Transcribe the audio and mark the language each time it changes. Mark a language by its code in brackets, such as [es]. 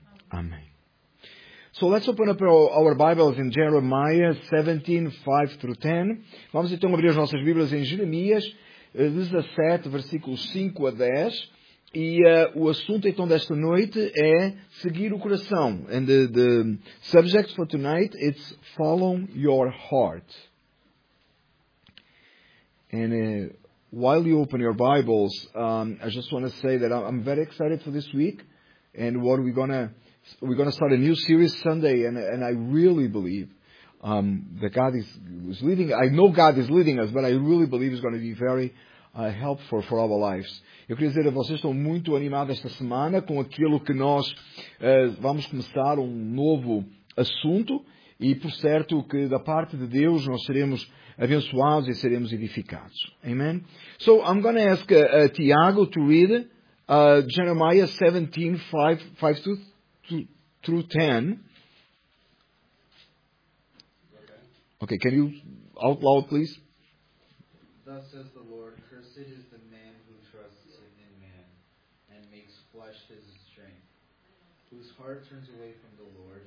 [en] Amém. So let's open up our Bibles in Jeremiah 17, 5 through 10. [pt] Vamos então abrir as nossas Bíblias em Jeremias 17, versículos 5 a 10. E o assunto, então, desta noite é seguir o coração. [en] And the subject for tonight is follow your heart. And while you open your Bibles, I just want to say that I'm very excited for this week. And what we're gonna start a new series Sunday, and I really believe that God is leading. I know God is leading us, but I really believe it's going to be very helpful for our lives. [pt] Eu queria dizer a vocês, estou muito animado esta semana com aquilo que nós vamos começar um novo assunto, e por certo que da parte de Deus nós seremos abençoados e seremos edificados. [en] Amen. So I'm going to ask Tiago to read Jeremiah 17, 5 through 10. Okay, can you out loud, please? Thus says the Lord, cursed is the man who trusts in man and makes flesh his strength, whose heart turns away from the Lord.